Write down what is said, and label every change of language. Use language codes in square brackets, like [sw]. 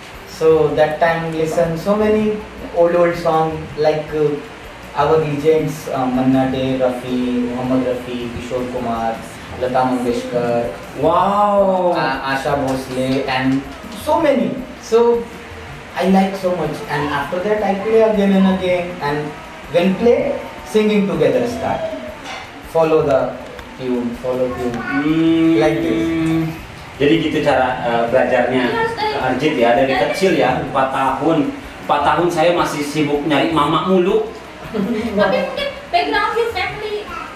[en] So, that time listen so many old songs like our legends, Manna Day, Rafi, Muhammad Rafi, Kishore Kumar, Lata Mangeshkar, Asha Bhosle, and so many. So I like so much, and after that I play again and again, and when play, singing together start. Follow the tune. Like this. [id] Jadi gitu cara belajarnya Arjit ya, dari kecil ya, 4 tahun saya masih sibuk nyari mama mulu. Tapi mungkin [en] background your family.